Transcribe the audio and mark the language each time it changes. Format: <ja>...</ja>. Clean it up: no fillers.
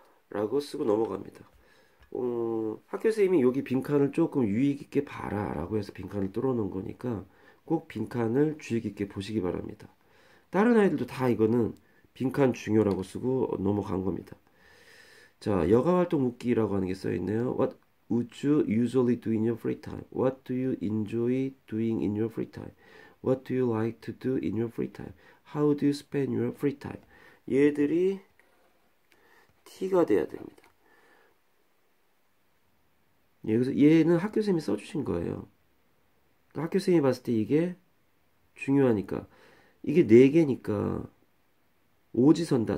<ko>라고 쓰고 넘어갑니다. 학교 선생님이 여기 빈칸을 조금 유의 깊게 봐라 라고 해서 빈칸을 뚫어 놓은 거니까 꼭 빈칸을 주의 깊게 보시기 바랍니다. 다른 아이들도 다 이거는 빈칸 중요라고 쓰고 넘어간 겁니다. 자, 여가활동 묶기라고 하는 게써 있네요.</ko> <en>What would you usually do in your free time? What do you enjoy doing in your free time? What do you like to do in your free time? How do you spend your free time?</en> <ko>얘들이 T가 돼야 됩니다. 여기서 얘는 학교 선생님이 써주신 거예요. 학교 선생님이 봤을 때 이게 중요하니까 이게 네 개니까 오지선다.</ko>